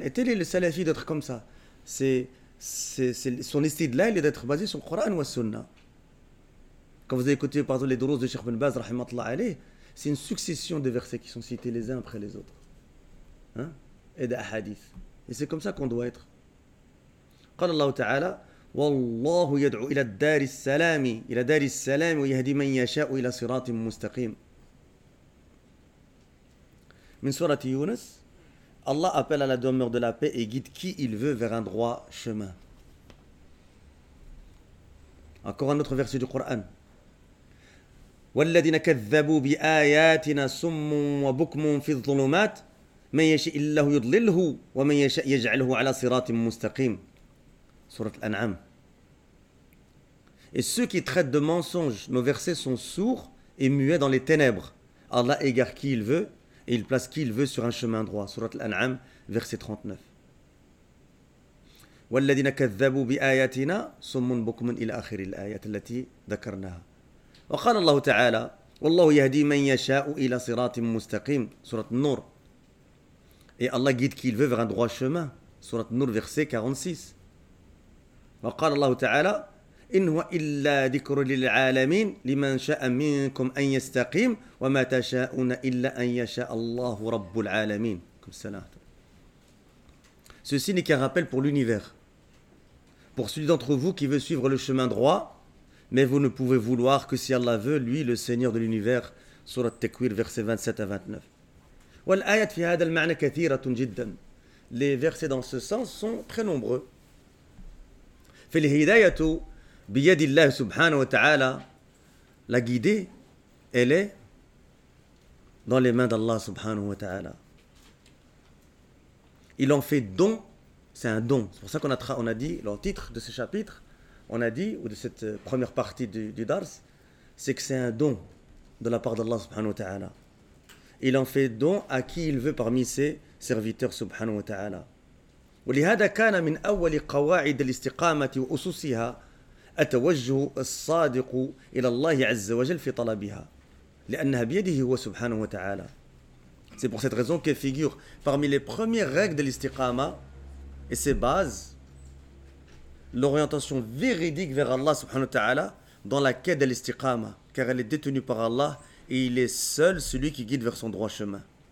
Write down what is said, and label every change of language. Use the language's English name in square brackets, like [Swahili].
[French] Et tel est le salafi d'être comme ça. Son estide là, il est d'être basé sur le Coran ou la Sunna. Quand vous avez écouté, par exemple, les douros de Cheikh Ibn Baz, rahimahullah alayh, c'est une succession de versets qui sont cités les uns après les autres. Hein? Et d'ahadith. Et c'est comme ça qu'on doit être. [Arabic] قال الله تعالى والله يدعو الى الدار السلام الى دار السلام ويهدي من يشاء الى صراط مستقيم من سورة يونس الله [French] appelle à la demeure de la paix et guide qui il veut vers un droit chemin. Encore un autre verset du Coran. [Arabic] والذين كذبوا بآياتنا صم وبكم في الظلمات من يشاء الله يضلله ومن يشاء يجعله على صراط مستقيم. [French] Sourate Al-An'am. Et ceux qui traitent de mensonges, nos versets sont sourds et muets dans les ténèbres. Allah égare qui il veut et il place qui il veut sur un chemin droit. Sourate Al-An'am, verset 39. [Arabic] وَالَّذِينَ كَذَّبُوا بِآيَاتِنَا صُمٌّ بُكْمٌ إِلَى آخِرِ الْآيَاتِ الَّتِي ذَكَرْنَاهَا. وَقَالَ اللَّهُ تَعَالَى وَاللَّهُ يَهْدِي مَنْ يَشَاءُ إِلَى صِرَاطٍ مُسْتَقِيمٍ. Sourate Nour. [French] Et Allah guide qui il veut vers un droit chemin. Sourate Nour, verset 46. [Arabic] وقال الله تعالى إن هو إلا ذكر للعالمين لمن شاء منكم أن يستقيم وما تشاءون إلا أن يشاء الله رب العالمين. [French] Ceci n'est qu'un rappel pour l'univers, pour celui d'entre vous qui veut suivre le chemin droit, mais vous ne pouvez vouloir que si Allah veut, lui, le Seigneur de l'univers. Sourate Takwir, versets 27 à 29. [Arabic] والآيات في هذا المعنى كثيرة جدا. [French] Les versets dans ce sens sont très nombreux. [Arabic] فالهداية بيد الله سبحانه وتعالى [French] la guidée, elle est dans les mains d'Allah سبحانه وتعالى. Il en fait don, c'est un don. C'est pour ça qu'on a dit, le titre de ce chapitre, on a dit, ou de cette première partie du dars, c'est que c'est un don de la part d'Allah سبحانه وتعالى. Il en fait don à qui il veut parmi ses serviteurs سبحانه وتعالى. [Arabic] ولهذا كان من أول قواعد الاستقامة وأسسها التوجه الصادق إلى الله عز وجل في طلبها لأنها بيده هو سبحانه وتعالى. [French] C'est pour cette raison qu'elle figure parmi les premières règles de l'istiqama et ses bases, l'orientation véridique vers Allah subhanahu wa ta'ala dans la quête de l'istiqama, car elle est détenue par Allah et il est seul celui qui guide vers son droit chemin.